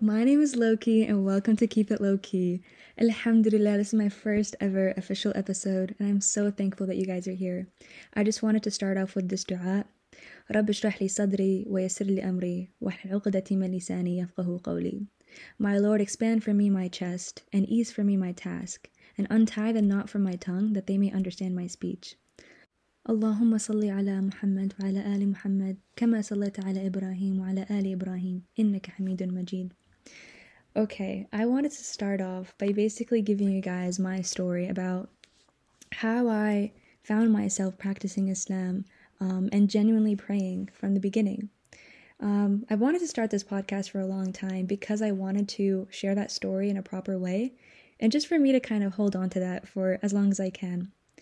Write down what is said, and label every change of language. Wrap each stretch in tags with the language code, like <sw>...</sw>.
<en>My name is Loki and welcome to Keep It Loki. Alhamdulillah, this is my first ever official episode and I'm so thankful that you guys are here. I just wanted to start off with this dua.</en> <ar>رب اشرح لي صدري ويسر لي امري واحلل عقدة من لساني يفقهوا قولي.</ar> <en>My Lord, expand for me my chest and ease for me my task and untie the knot from my tongue that they may understand my speech.</en> <ar>اللهم صل على محمد وعلى آل محمد كما صليت على إبراهيم وعلى آل إبراهيم إنك حميد مجيد.</ar> <en>Okay, I wanted to start off by basically giving you guys my story about how I found myself practicing Islam and genuinely praying from the beginning. I wanted to start this podcast for a long time because I wanted to share that story in a proper way and just for me to kind of hold on to that for as long as I can.</en>